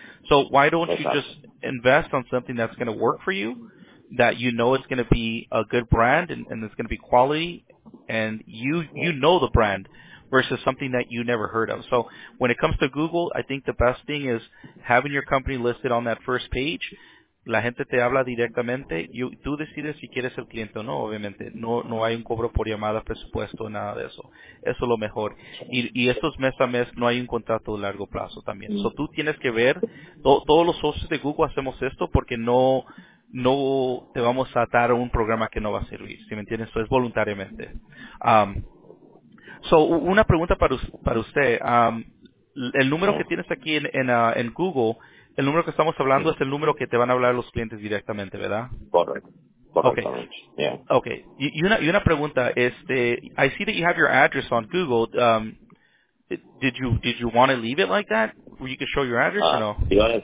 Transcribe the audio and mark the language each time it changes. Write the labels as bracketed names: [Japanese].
[English] So why don't you just invest on something that's going to work for you, that you know it's going to be a good brand and it's going to be quality, and you know the brand. versus something that you never heard of. So when it comes to Google, I think the best thing is having your company listed on that first page. [Spanish] La gente te habla directamente. Tú decides si quieres el cliente o no, obviamente. No hay un cobro por llamada, presupuesto, nada de eso. Eso es lo mejor. Y esto es mes a mes, no hay un contrato de largo plazo también. So tú tienes que ver, todos los socios de Google hacemos esto porque no te vamos a atar a un programa que no va a servir, ¿sí me entiendes? Esto es voluntariamente. So una pregunta para usted. El número que tienes aquí en Google, el número que estamos hablando es el número que te van a hablar los clientes directamente, ¿verdad? Correcto. Okay. Yeah. Okay. Y una pregunta, [English] I see that you have your address on Google. Did you want to leave it like that? Where you can show your address or no?